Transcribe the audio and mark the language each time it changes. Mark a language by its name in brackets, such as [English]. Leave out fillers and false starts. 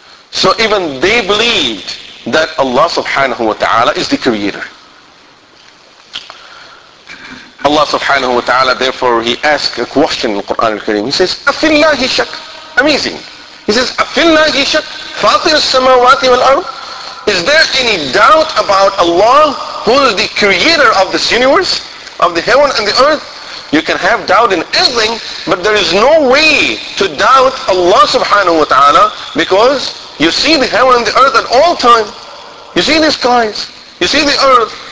[English] So even they believed that Allah subhanahu wa ta'ala is the creator. Allah subhanahu wa ta'ala, therefore he asked a question in Quran al-Kareem. He says, [Arabic] أَفِي اللَّهِ شَكْ. [English] Amazing. He says, [Arabic] أَفِي اللَّهِ شَكْ فَاطِرِ السَّمَوَاتِ وَالْأَرْضِ. [English] Is there any doubt about Allah, who is the creator of this universe, of the heaven and the earth? You can have doubt in anything, but there is no way to doubt Allah subhanahu wa ta'ala, because you see the heaven and the earth at all times. You see the skies. You see the earth.